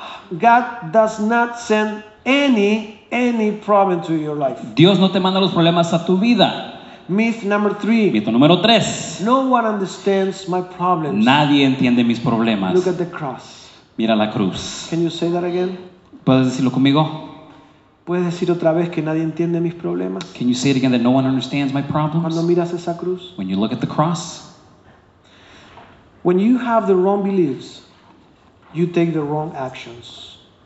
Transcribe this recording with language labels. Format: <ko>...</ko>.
<en>God does not send any problem to your life.</en> <es>Dios no te manda los problemas a tu vida.</es> <en>Myth number three.</en> <es>Mito número tres.</es> <en>No one understands my problems.</en> <es>Nadie entiende mis problemas.</es> <en>Look at the cross.</en> <es>Mira la cruz.</es> <en>Can you say that again?</en> <es>¿Puedes decirlo conmigo? ¿Puedes decir otra vez que nadie entiende mis problemas?</es> <en>Can you say it again that no one understands my problems?</en> <es>Cuando miras esa cruz.</es> <en>When you look at the cross. When you have the wrong beliefs, you take the wrong actions.</en>